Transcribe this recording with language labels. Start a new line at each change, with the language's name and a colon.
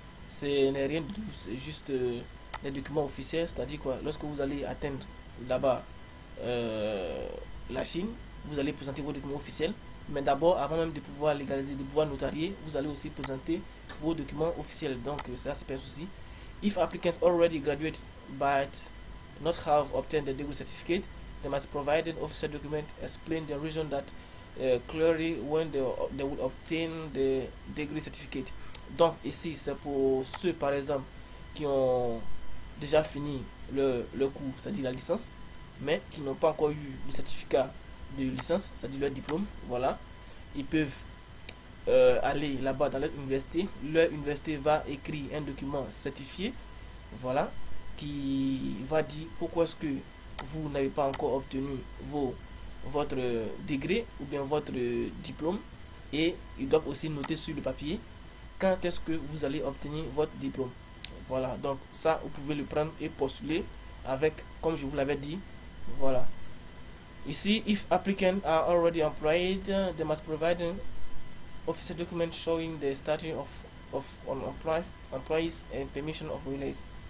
French: Ce n'est rien du tout, c'est juste les documents officiels, c'est-à-dire quoi, lorsque vous allez atteindre là-bas la Chine, vous allez présenter vos documents officiels, mais d'abord, avant même de pouvoir légaliser, de pouvoir notarier, vous allez aussi présenter vos documents officiels. Donc, ça, c'est pas un souci.
English: If applicants already graduate but not have obtained the degree certificate, they must provide an official document explain the reason that clearly when they will obtain the degree certificate.
French: Donc, ici, c'est pour ceux, par exemple, qui ont déjà fini le cours, c'est-à-dire la licence, mais qui n'ont pas encore eu le certificat de licence, c'est-à-dire leur diplôme. Voilà, ils peuvent aller là-bas dans leur université. Leur université va écrire un document certifié, voilà, qui va dire pourquoi est-ce que vous n'avez pas encore obtenu votre degré ou bien votre diplôme, et ils doivent aussi noter sur le papier quand est-ce que vous allez obtenir votre diplôme. Voilà, donc ça, vous pouvez le prendre et postuler avec, comme je vous l'avais dit, voilà.
English: Ici, if applicants are already employed, they must provide an official document showing the status of employees and permission of release.